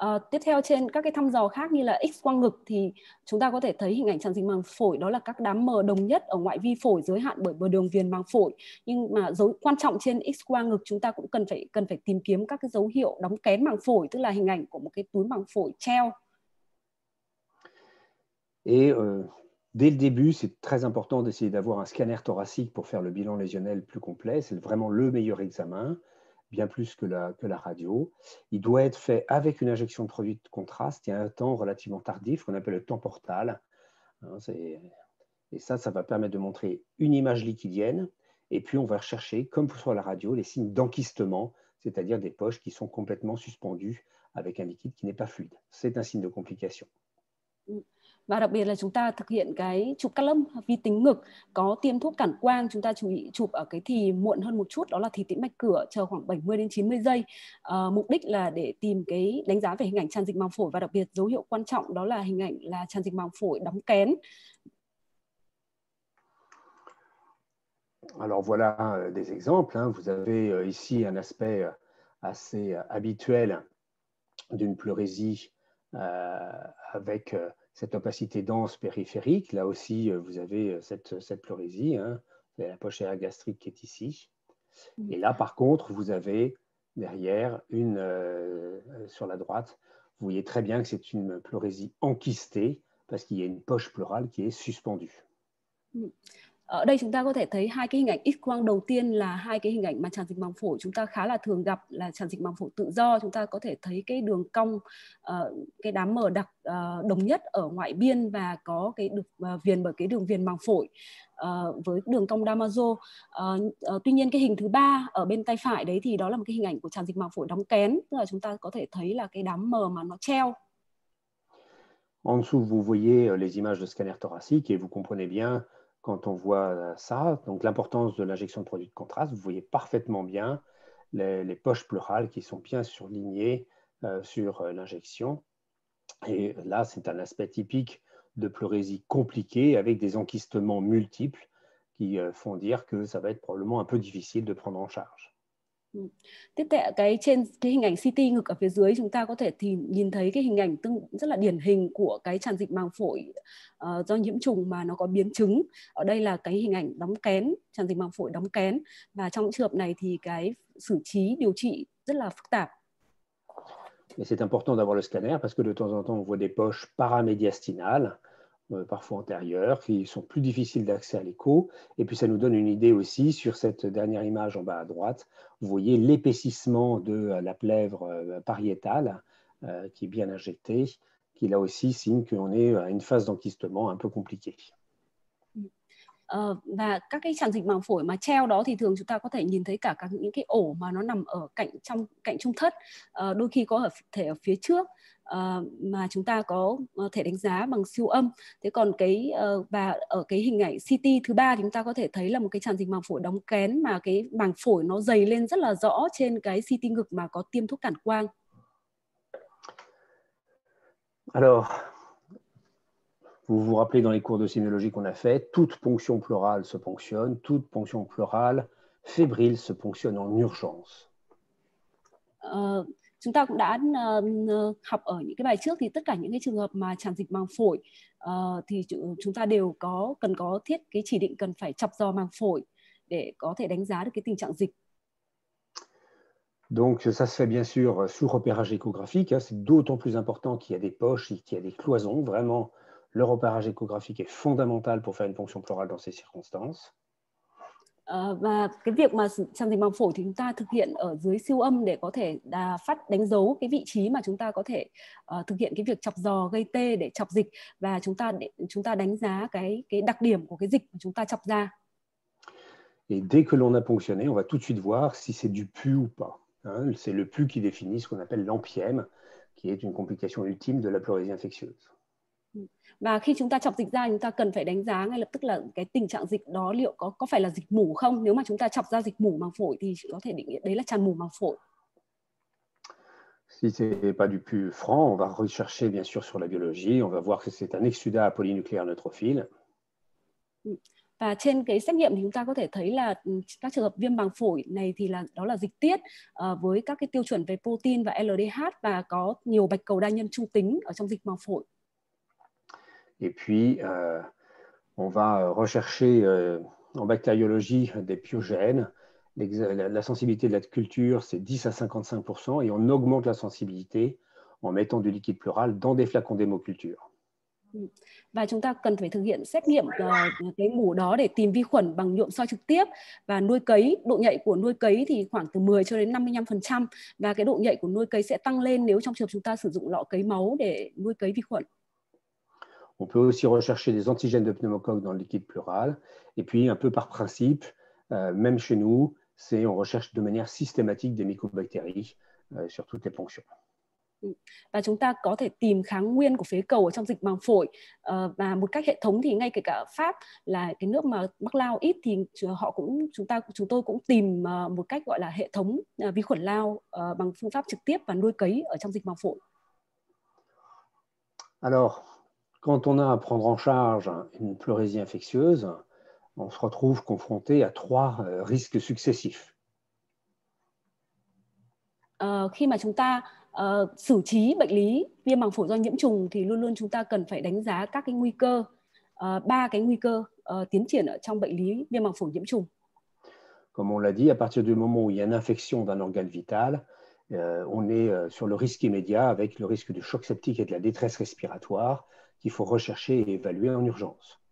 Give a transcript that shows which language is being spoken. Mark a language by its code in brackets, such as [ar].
[vi] Tiếp theo trên các cái thăm dò khác như là X-quang ngực thì chúng ta có thể thấy hình ảnh tràn dịch màng phổi, đó là các đám mờ đồng nhất ở ngoại vi phổi giới hạn bởi bờ đường viền màng phổi. Nhưng mà dấu quan trọng trên X-quang ngực chúng ta cũng cần phải tìm kiếm các cái dấu hiệu đóng kén màng phổi, tức là hình ảnh của một cái túi màng phổi treo. [fr] Et dès le début, c'est très important d'essayer d'avoir un scanner thoracique pour faire le bilan lésionnel plus complet. C'est vraiment le meilleur examen, bien plus que la radio. Il doit être fait avec une injection de produit de contraste et un temps relativement tardif, qu'on appelle le temps portal. Ça va permettre de montrer une image liquidienne. Et puis, on va rechercher, comme sur la radio, les signes d'enkystement, c'est-à-dire des poches qui sont complètement suspendues avec un liquide qui n'est pas fluide. C'est un signe de complication. [vi] Và đặc biệt là chúng ta thực hiện cái chụp cắt lâm vi tính ngực có tiêm thuốc cản quang, chúng ta chú ý chụp ở cái thì muộn hơn một chút, đó là thì tĩnh mạch cửa, chờ khoảng 70 đến 90 giây. Mục đích là để tìm cái đánh giá về hình ảnh tràn dịch màng phổi, và đặc biệt dấu hiệu quan trọng đó là hình ảnh là tràn dịch màng phổi đóng kén. [fr] Alors voilà des exemples, hein. Vous avez ici un aspect assez habituel d'une pleurésie avec cette opacité dense périphérique. Là aussi, vous avez cette pleurésie. Hein. La poche aérogastrique qui est ici. Et là, par contre, vous avez derrière, sur la droite, vous voyez très bien que c'est une pleurésie enkystée parce qu'il y a une poche pleurale qui est suspendue. [vi] Ở đây chúng ta có thể thấy hai cái hình ảnh X quang đầu tiên là hai cái hình ảnh mà tràn dịch màng phổi chúng ta khá là thường gặp, là tràn dịch màng phổi tự do. Chúng ta có thể thấy cái đường cong, cái đám mờ đặc đồng nhất ở ngoại biên và có cái được viền bởi cái đường viền màng phổi với đường cong Damaso. Tuy nhiên cái hình thứ ba ở bên tay phải đấy thì đó là một cái hình ảnh của tràn dịch màng phổi đóng kén, tức là chúng ta có thể thấy là cái đám mờ mà nó treo. [fr] En dessous vous voyez les images de scanner thoracique et vous comprenez bien quand on voit ça, donc l'importance de l'injection de produits de contraste, vous voyez parfaitement bien les poches pleurales qui sont bien surlignées sur l'injection. Et là, c'est un aspect typique de pleurésie compliquée avec des enkystements multiples qui font dire que ça va être probablement un peu difficile de prendre en charge. [vi] Tiếp theo cái trên cái hình ảnh CT ngực ở phía dưới chúng ta có thể nhìn thấy cái hình ảnh rất là điển hình của cái tràn dịch màng phổi do nhiễm trùng mà nó có biến chứng. Ở đây là cái hình ảnh đóng kén, tràn dịch màng phổi đóng kén, và trong trường hợp này thì cái xử trí điều trị rất là phức tạp. [fr] Mais c'est important d'avoir le scanner parce que de temps en temps on voit des poches paramédiastinales parfois antérieures qui sont plus difficiles d'accès à l'écho, et puis ça nous donne une idée aussi sur cette dernière image en bas à droite. Vous voyez l'épaississement de la plèvre pariétale qui est bien injectée, qui là aussi signe qu'on est à une phase d'enkystement un peu compliquée. [vi] Và các cái tràn dịch màng phổi mà treo đó thì thường chúng ta có thể nhìn thấy cả các những cái ổ mà nó nằm ở cạnh trung thất, đôi khi có thể ở phía trước mà chúng ta có thể đánh giá bằng siêu âm. Thế còn cái và ở cái hình ảnh CT thứ ba thì chúng ta có thể thấy là một cái tràn dịch màng phổi đóng kén mà cái màng phổi nó dày lên rất là rõ trên cái CT ngực mà có tiêm thuốc cản quang. [fr] Alors, vous vous rappelez dans les cours de sinologie qu'on a fait, toute ponction pleurale se ponctionne, toute ponction pleurale fébrile se ponctionne en urgence. [vi] Chúng ta cũng đã học ở những cái bài trước thì tất cả những cái trường hợp mà tràn dịch màng phổi thì chúng ta đều có cần có thiết cái chỉ định cần phải chọc dò màng phổi để có thể đánh giá được cái tình trạng dịch. [fr] Donc ça se fait bien sûr sous repérage échographique, hein. C'est d'autant plus important qu'il y a des poches et qu'il y a des cloisons vraiment. Le repérage échographique est fondamental pour faire une ponction pleurale dans ces circonstances. [vi] Và cái việc mà tràn dịch màng phổi thì chúng ta thực hiện ở dưới siêu âm để có thể đánh dấu cái vị trí mà chúng ta có thể thực hiện cái việc chọc dò gây tê để chọc dịch, và chúng ta đánh giá cái đặc điểm của cái dịch mà chúng ta chọc ra. [fr] Et dès que l'on a ponctionné, on va tout de suite voir si c'est du pus ou pas. Hein, c'est le pus qui définit ce qu'on appelle l'empyème, qui est une complication ultime de la pleurésie infectieuse. [vi] Và khi chúng ta chọc dịch ra, chúng ta cần phải đánh giá ngay lập tức là cái tình trạng dịch đó liệu có phải là dịch mủ không. Nếu mà chúng ta chọc ra dịch mủ màng phổi thì có thể định nghĩa đấy là tràn mủ màng phổi. [fr] Si c'est pas du pus franc, on va rechercher bien sûr sur la biologie, on va voir que c'est un exsudat polynucléaire neutrophile. [vi] Và trên cái xét nghiệm thì chúng ta có thể thấy là các trường hợp viêm màng phổi này thì là đó là dịch tiết với các cái tiêu chuẩn về protein và LDH và có nhiều bạch cầu đa nhân trung tính ở trong dịch màng phổi. [fr] Et puis, on va rechercher en bactériologie des pyogènes. La sensibilité de la culture, c'est 10 à 55% et on augmente la sensibilité en mettant du liquide pleural dans des flacons d'hémoculture. [vi] Và chúng ta cần phải thực hiện xét nghiệm cái mủ đó để tìm vi khuẩn bằng nhuộm soi trực tiếp và nuôi cấy, độ nhạy của nuôi cấy thì khoảng từ 10 cho đến 55% và cái độ nhạy của nuôi cấy sẽ tăng lên nếu trong trường hợp chúng ta sử dụng lọ cấy máu để nuôi cấy vi khuẩn. [fr] On peut aussi rechercher des antigènes de pneumocoque dans le liquide pleural et puis un peu par principe, même chez nous, c'est on recherche de manière systématique des mycobactéries sur toutes les ponctions. [vi] Và chúng ta có thể tìm kháng nguyên của phế cầu ở trong dịch màng phổi và một cách hệ thống thì ngay kể cả Pháp là cái nước mà mắc lao ít thì họ cũng chúng tôi cũng tìm một cách gọi là hệ thống vi khuẩn lao bằng phương pháp trực tiếp và nuôi cấy ở trong dịch màng phổi. [fr] Alors, quand on a à prendre en charge une pleurésie infectieuse, on se retrouve confronté à trois risques successifs. [vi] Khi mà chúng ta xử trí bệnh lý viêm màng phổi do nhiễm trùng thì luôn luôn chúng ta cần phải đánh giá các cái nguy cơ ba cái nguy cơ tiến triển ở trong bệnh lý viêm màng phổi nhiễm trùng. [fr] Comme on l'a dit, à partir du moment où il y a une infection d'un organe vital, on est sur le risque immédiat avec le risque de choc septique et de la détresse respiratoire qu'il faut rechercher et évaluer en urgence.